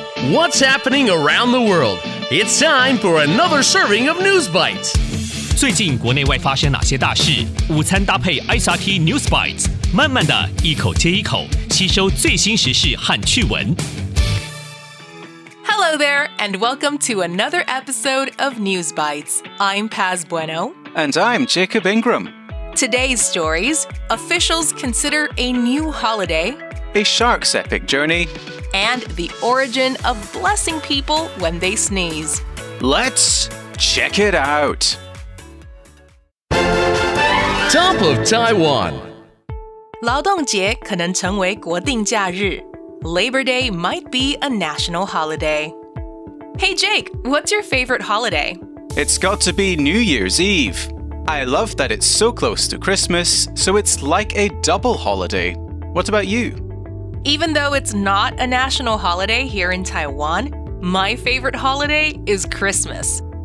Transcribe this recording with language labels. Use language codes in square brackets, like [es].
[en] What's happening around the world? It's time for another serving of News Bites. [zh] 最近国内外发生哪些大事？午餐搭配 SRT News Bites， 慢慢的一口接一口，吸收最新时事和趣闻。 [en] Hello there, and welcome to another episode of News Bites. I'm Paz Bueno. And I'm Jacob Ingram. Today's stories: officials consider a new holiday, a shark's epic journey, and the origin of blessing people when they sneeze. Let's check it out. Top of Taiwan. [zh] 劳动节可能成为国定假日。 [en] Labor Day might be a national holiday. Hey Jake, what's your favorite holiday? It's got to be New Year's Eve. I love that it's so close to Christmas, so it's like a double holiday. What about you? Even though it's not a national holiday here in Taiwan, my favorite holiday is Christmas.